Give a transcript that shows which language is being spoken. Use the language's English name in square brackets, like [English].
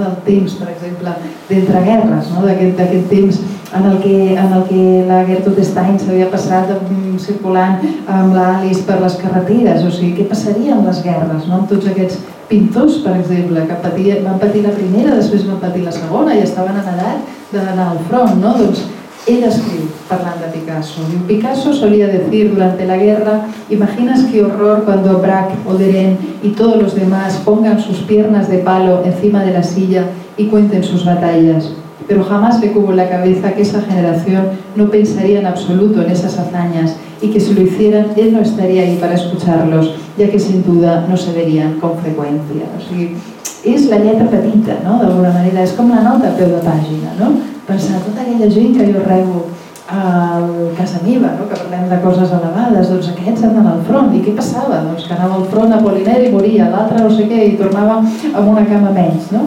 [Catalan] Del temps, per exemple, d'entre guerres, no? D'aquest temps en el que la Gertrude Stein s'havia passat circulant amb l'Alice per les carreteres, o sigui, què passaria amb les guerres, no? Amb tots aquests pintors, per exemple, que van patir la primera, després van patir la segona i estaven en edat d'anar al front, no? Doncs ella escriu parlant de Picasso. Diu, [Spanish] Picasso solía decir durante la guerra, imaginas qué horror cuando Braque, Oderén y todos los demás pongan sus piernas de palo encima de la silla y cuenten sus batallas. Pero jamás le cubo en la cabeza que esa generación no pensaría en absoluto en esas hazañas y que si lo hicieran, él no estaría ahí para escucharlos, ya que sin duda no se verían con frecuencia. [Catalan] O sigui, és la lletra petita, no? D'alguna manera, és com la nota a peu de pàgina, no? Pensar tota aquella gent que jo rebo a casa meva, no? Que parlem de coses elevades, doncs aquests anaven al front. I què passava? Doncs que anava al front a Apollinaire i moria, l'altre no sé què, i tornava amb una cama menys, no?